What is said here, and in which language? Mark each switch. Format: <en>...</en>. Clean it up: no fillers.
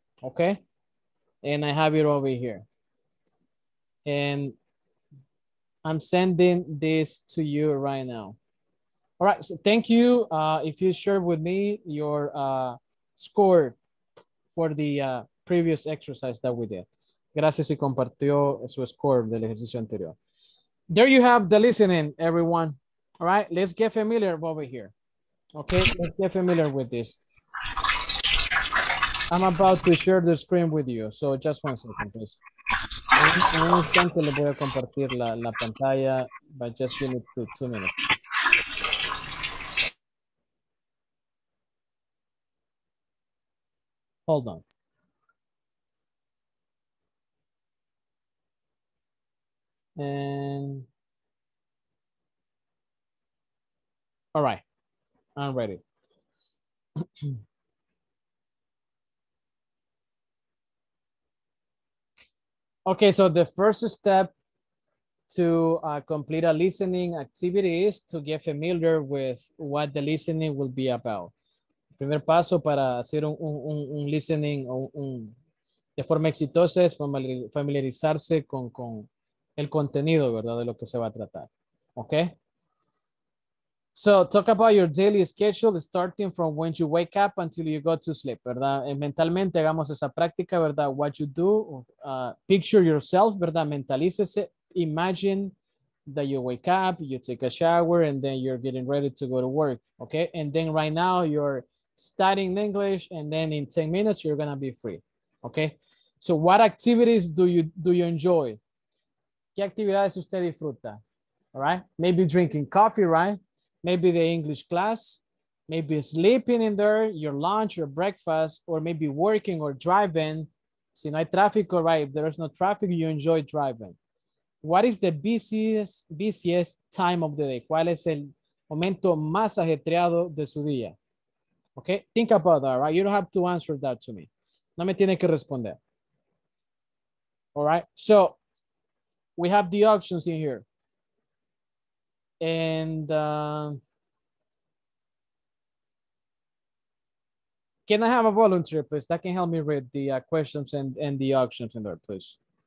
<en>Okay, and I have it over here. And I'm sending this to you right now. All right, so thank you. If you share with me your score for the previous exercise that we did.</en> <es>Gracias y compartió su score del ejercicio anterior.</es> <en>There you have the listening, everyone. All right, let's get familiar over here. Okay, let's get familiar with this. I'm about to share the screen with you, so just one second, please.</en> <es>En un instante le voy a compartir la pantalla,</es> <en>but just give me two minutes. Hold on. And all right, I'm ready. Okay, so the first step to complete a listening activity is to get familiar with what the listening will be about.</en> <es>Primer paso para hacer un listening de forma exitosa es familiarizarse con el contenido, ¿verdad? De lo que se va a tratar.</es> <en>Okay? So, talk about your daily schedule starting from when you wake up until you go to sleep, ¿verdad?</en> <es>Mentalmente hagamos esa práctica, ¿verdad?</es> <en>What you do, picture yourself,</en> <es>¿verdad? Mentalícese,</es> <en>imagine that you wake up, you take a shower, and then you're getting ready to go to work, okay? And then right now you're studying English, and then in 10 minutes you're gonna be free, okay? So, what activities do you enjoy?</en> <es>¿Qué actividades usted disfruta?</es> <en>All right? Maybe drinking coffee, right? Maybe the English class, maybe sleeping in there, your lunch, your breakfast, or maybe working or driving.</en> <es>Si no hay tráfico,</es> <en>right? If there is no traffic, you enjoy driving. What is the busiest time of the day?</en> <es>¿Cuál es el momento más ajetreado de su día?</es> <en>Okay, think about that, right? You don't have to answer that to me.</en> <es>No me tiene que responder.</es> <en>All right, so we have the options in here. And can I have a volunteer, please, that can help me read the questions and the options in there, please?</en>